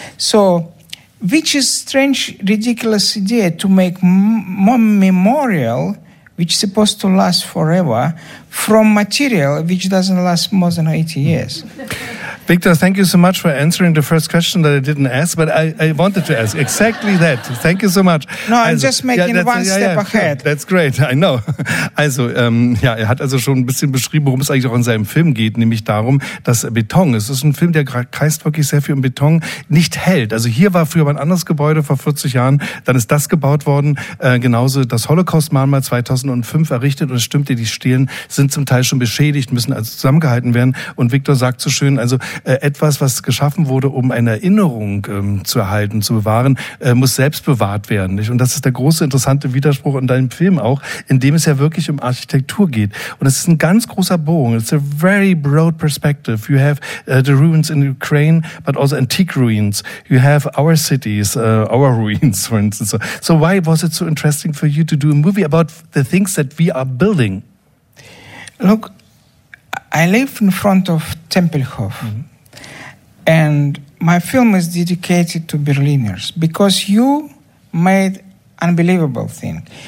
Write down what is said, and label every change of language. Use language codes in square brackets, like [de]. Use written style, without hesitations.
[en] So, which is strange, ridiculous idea to make memorial which is supposed to last forever from material which doesn't last more than 80 years. Viktor, thank you so much for answering the first question that I didn't ask, but I wanted to ask exactly that. Thank you so much. No, I'm also just making one step ahead. That's great, I know. [de] Also, er hat also schon ein bisschen beschrieben, worum es eigentlich auch in seinem Film geht, nämlich darum, dass Beton, es ist ein Film, der kreist wirklich sehr viel um Beton, nicht hält. Also hier war früher ein anderes Gebäude vor 40 Jahren, dann ist das gebaut worden, genauso das Holocaust-Mahnmal 2005 errichtet und es stimmt, die Stelen sind zum Teil schon beschädigt, müssen also zusammengehalten werden und Viktor sagt so schön, also etwas, was geschaffen wurde, um eine Erinnerung zu erhalten, zu bewahren, muss selbst bewahrt werden. Nicht? Und das ist der große, interessante Widerspruch in deinem Film auch, in dem es ja wirklich um Architektur geht. Und es ist ein ganz großer Bogen. [en] It's a very broad perspective. You have the ruins in Ukraine, but also antique ruins. You have our cities, our ruins, for instance. So why was it so interesting for you to do a movie about the things that we are building? Look, I live in front of Tempelhof, and my film is dedicated to Berliners because you made unbelievable thing.